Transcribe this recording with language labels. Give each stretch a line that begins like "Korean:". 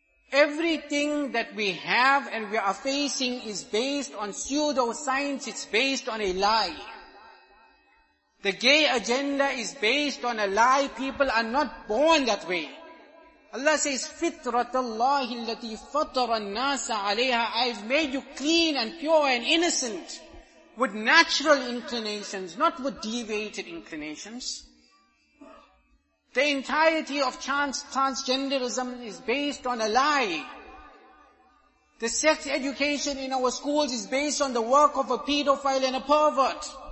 English: Everything that we have and we are facing is based on pseudoscience, it's based on a lie. The gay agenda is based on a lie. People are not born that way. Allah says,
Arabic: فِطْرَةَ اللَّهِ الَّتِي فَطَرَ النَّاسَ عَلَيْهَا.
English: I've made you clean and pure and innocent with natural inclinations, not with deviated inclinations. The entirety of transgenderism is based on a lie. The sex education in our schools is based on the work of a pedophile and a pervert.